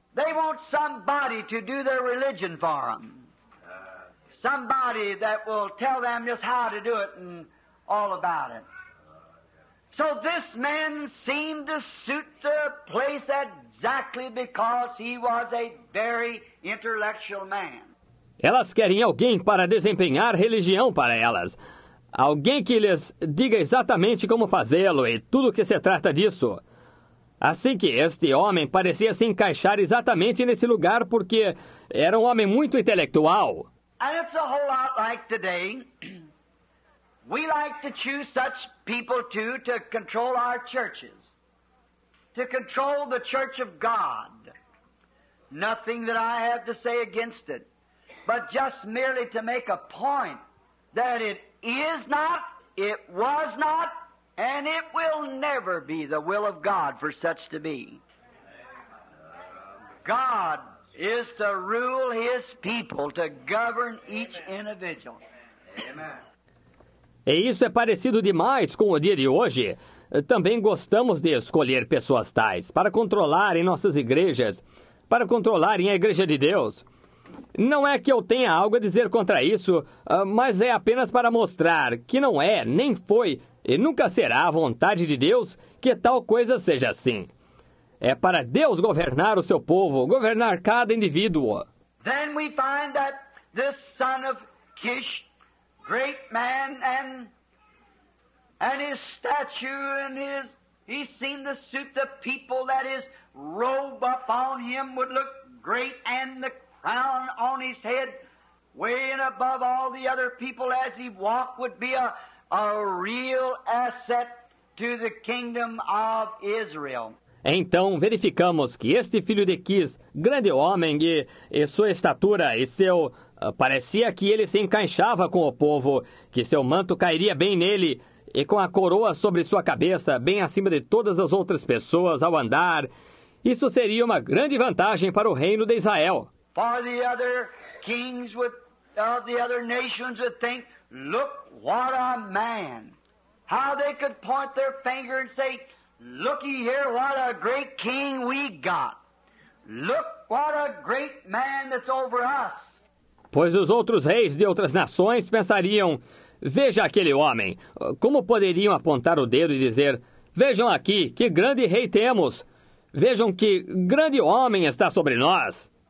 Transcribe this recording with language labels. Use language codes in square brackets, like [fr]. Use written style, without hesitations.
[en] They want somebody to do their religion for them. Somebody that will tell them just how to do it and all about it. So this man seemed to suit the place exactly because he was a very intellectual man. [pt] Elas querem alguém para desempenhar religião para elas. Alguém que lhes diga exatamente como fazê-lo e tudo o que se trata disso. Assim que este homem parecia se encaixar exatamente nesse lugar porque era um homem muito intelectual. [en] And it's a whole lot like today. We like to choose such people too to control our churches, to control the church of God. Nothing that I have to say against it, but just merely to make a point that it is not, it was not, and it will never be the will of God for such to be. God is to rule his people, to govern each individual. Amen. [pt] E isso é parecido demais com o dia de hoje. Também gostamos de escolher pessoas tais para controlar em nossas igrejas, para controlar em a igreja de Deus. Não é que eu tenha algo a dizer contra isso, mas é apenas para mostrar que não é, nem foi e nunca será a vontade de Deus que tal coisa seja assim. É para Deus governar o seu povo, governar cada indivíduo. [en] Then we find that this son of Kish, great man, and his statue and his, he seen the suit of people that his robe upon him would look great, and the crown on his head, weighing above all the other people as he walked, would be a real asset to the kingdom of Israel. [pt] Então verificamos que este filho de Quis, grande homem, e sua estatura e seu... parecia que ele se encaixava com o povo, que seu manto cairia bem nele, e com a coroa sobre sua cabeça, bem acima de todas as outras pessoas ao andar, isso seria uma grande vantagem para o reino de Israel. [en] For the other kings would, the other nations would think, look what a man. How they could point their finger and say, looky here, what a great king we got. Look what a great man that's over us. [pt] Pois os outros reis de outras nações pensariam, veja aquele homem. Como poderiam apontar o dedo e dizer, vejam aqui, que grande rei temos. Vejam que grande homem está sobre nós.